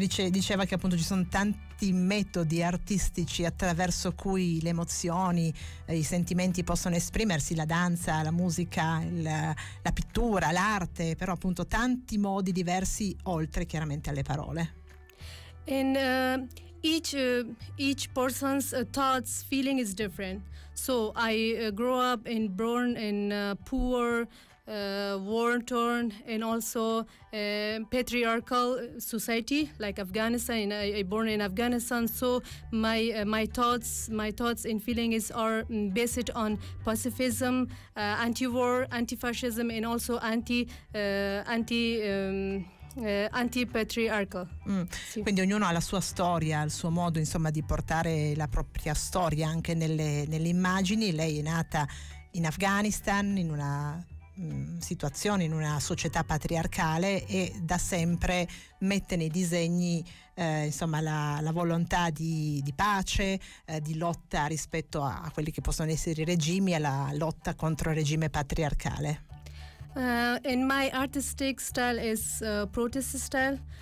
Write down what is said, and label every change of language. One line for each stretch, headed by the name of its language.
Italian: Diceva che appunto ci sono tanti metodi artistici attraverso cui le emozioni, i sentimenti possono esprimersi, la danza, la musica, la pittura, l'arte, però appunto tanti modi diversi oltre chiaramente alle parole.
English: And each person's thoughts, feeling is different. So I grew up and born in poor, war-torn, and also patriarchal society like Afghanistan. And I born in Afghanistan. So my thoughts and feelings are based on pacifism, anti-war, anti-fascism, and also anti-patriarchal.
Italian: Sì. Quindi ognuno ha la sua storia, il suo modo, insomma, di portare la propria storia anche nelle immagini. Lei è nata in Afghanistan, in una situazione, in una società patriarcale, e da sempre mette nei disegni insomma la volontà di pace, di lotta rispetto a quelli che possono essere i regimi, alla lotta contro il regime patriarcale.
English: In my artistic style is protest style.